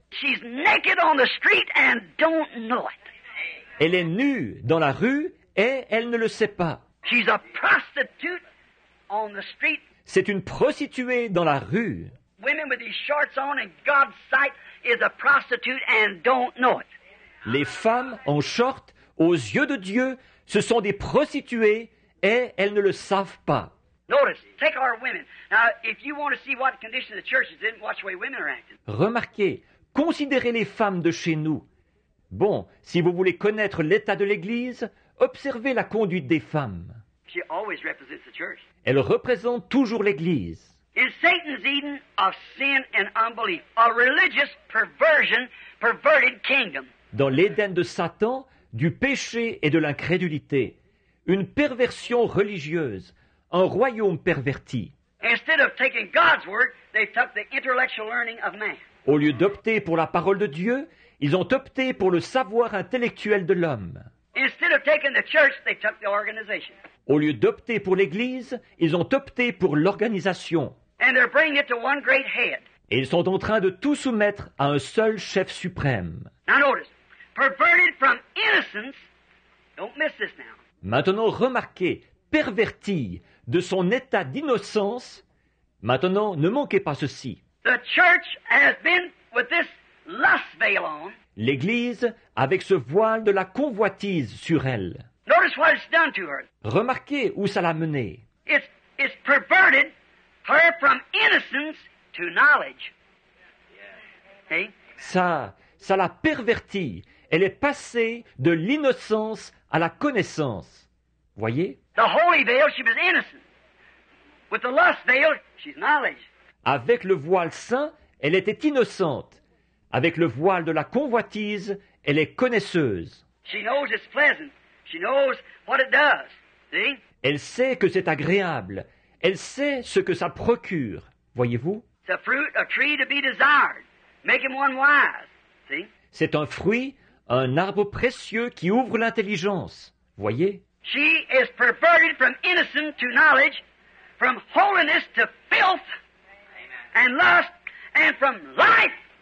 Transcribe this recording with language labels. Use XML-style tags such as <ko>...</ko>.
<en>She's naked on the street and don't know it.</en> <fr>Elle est nue dans la rue et elle ne le sait pas.</fr> <en>She's a prostitute on the street.</en> <fr>C'est une prostituée dans la rue.</fr> <en>Women with these shorts on in God's sight is a prostitute and don't know it.</en> <fr>Les femmes en short aux yeux de Dieu, ce sont des prostituées et elles ne le savent pas.</fr> <en>Notice, take our women. Now, if you want to see what condition the church is in, watch the way women are acting.</en> <fr>Remarquez, considérez les femmes de chez nous. Bon, si vous voulez connaître l'état de l'Église, observez la conduite des femmes.</fr> <en>She always represents the church.</en> <fr>Elle représente toujours l'Église.</fr> <en>In Satan's Eden of sin and unbelief, a religious perversion, perverted kingdom.</en> <fr>Dans l'Éden de Satan, du péché et de l'incrédulité, une perversion religieuse, un royaume perverti.</fr> <en>Instead of taking God's word, they took the intellectual learning of man.</en> <fr>Au lieu d'opter pour la parole de Dieu, ils ont opté pour le savoir intellectuel de l'homme.</fr> <en>Instead of taking the church, they took the organization.</en> <fr>Au lieu d'opter pour l'Église, ils ont opté pour l'organisation.</fr> <en>And they're bringing it to one great head.</en> <fr>Et ils sont en train de tout soumettre à un seul chef suprême.</fr> <en>Now notice, perverted from innocence, don't miss this now.</en> <fr>Maintenant, remarquez, perverti de son état d'innocence. Maintenant, ne manquez pas ceci.</fr> <en>The church has been with this lust veil on.</en> <fr>L'Église avec ce voile de la convoitise sur elle.</fr> <en>Notice what it's done to her.</en> <fr>Remarquez où ça l'a mené.</fr> <en>It's perverted her from innocence to knowledge. Hey?</en> <fr>Ça l'a perverti. Elle est passée de l'innocence à la connaissance. Voyez?</fr> <en>The holy veil, she was innocent. With the lust veil, she's knowledge.</en> <fr>Avec le voile saint, elle était innocente. Avec le voile de la convoitise, elle est connaisseuse.</fr> <en>She knows it's pleasant. She knows what it does. See?</en> <fr>Elle sait que c'est agréable. Elle sait ce que ça procure. Voyez-vous?</fr> <en>It's a fruit, a tree to be desired, making one wise. See?</en> <fr>C'est un fruit, un arbre précieux qui ouvre l'intelligence. Voyez?</fr> <en>She is perverted from innocence to knowledge, from holiness to filth and lust, and from life.</en>